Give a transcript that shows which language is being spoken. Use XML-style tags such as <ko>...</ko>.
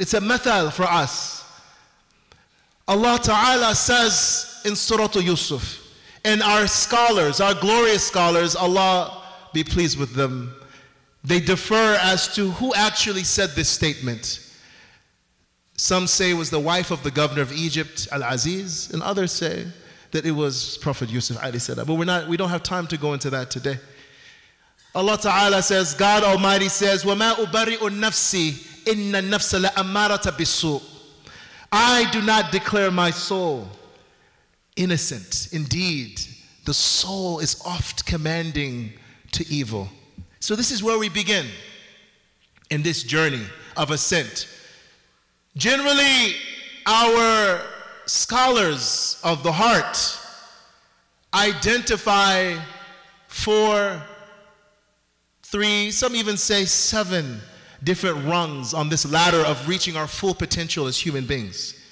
<en>It's a mathal for us. Allah Ta'ala says in Surah Yusuf, and our scholars, our glorious scholars, Allah be pleased with them, they differ as to who actually said this statement. Some say it was the wife of the governor of Egypt, Al-Aziz, and others say that it was Prophet Yusuf, alayhi salam. But we don't have time to go into that today. Allah Ta'ala says, God Almighty says,</en> <ar>وَمَا أُبَرِئُ النَّفْسِ إِنَّ النَّفْسَ لَأَمَّارَةَ بِسُّءٍ.</ar> <en>I do not declare my soul innocent. Indeed, the soul is oft commanding to evil. So this is where we begin in this journey of ascent. Generally, our scholars of the heart identify four, three, some even say seven different rungs on this ladder of reaching our full potential as human beings.</en>